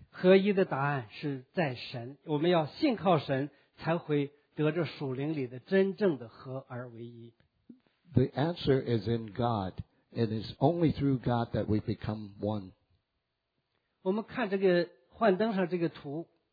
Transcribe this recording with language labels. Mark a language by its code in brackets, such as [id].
[zh] 合一的答案是在神我们要信靠神才会得着属灵里的真正的合而为一 [en] The answer is in God. It is only through God that we become one. [zh] 我们看这个幻灯上这个图。